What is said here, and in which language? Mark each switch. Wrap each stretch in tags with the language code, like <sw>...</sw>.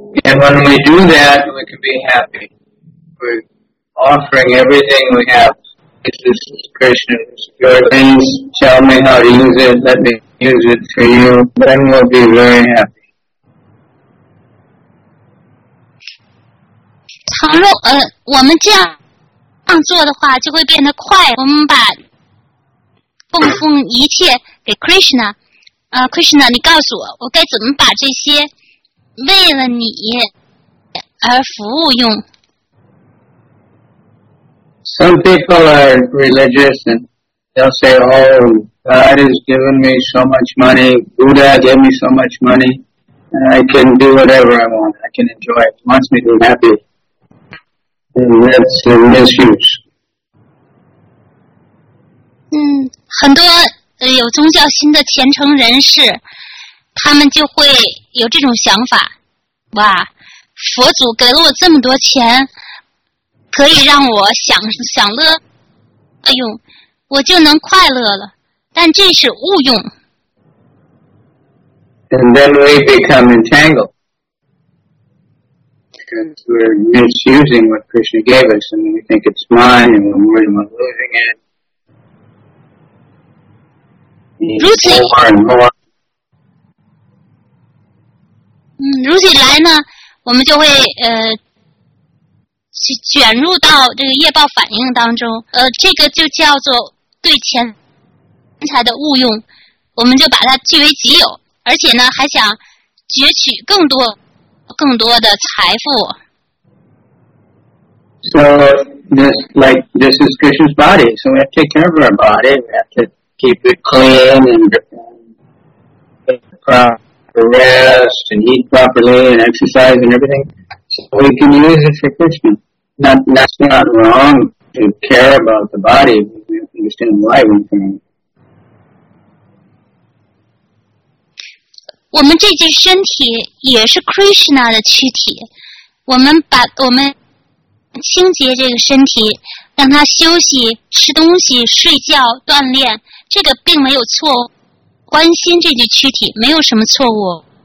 <en>And when we do that, we can be happy. We're offering everything we have. This is Krishna. Your things, tell me how to use it, let me use it for you, then we'll be very happy.</en> <zh>倘若我们这样做的话，就会变得快。我们把奉奉一切给 Krishna， Krishna， 你告诉我，我该怎么把这些为了你而服务用</zh> <en>？Some people are religious and they'll say, "Oh, God has given me so much money. Buddha gave me so much money, and I can do whatever I want. I can enjoy it. Wants me to be happy." And that's a misuse.</en> <zh>很多有宗教心的虔诚人士，他们就会有这种想法：哇，佛祖给了我这么多钱，可以让我享乐，哎呦，我就能快乐了。但这是误用。</zh> <en>And then we become entangled because we're misusing what Krishna gave us, and we think it's mine, and we're worried about losing it.</en> <zh>如此来呢，我们就会卷入到这个业报反应当中，这个就叫做对钱财的误用，我们就把它据为己有，而且呢还想攫取更多的财富。</zh> <en>So this is Krishna's body, so we have to take care of our body, we have to. Keep it clean and proper rest and eat properly and exercise and everything. So we can use it for Krishna. That's not wrong to care about the body. We understand why we can.</en> <zh>我们这具身体也是 Krishna 的躯体，我们把我们清洁这个身体，让它休息、吃东西、睡觉、锻炼，这个并没有错误。关心这具躯体没有什么错误。</zh>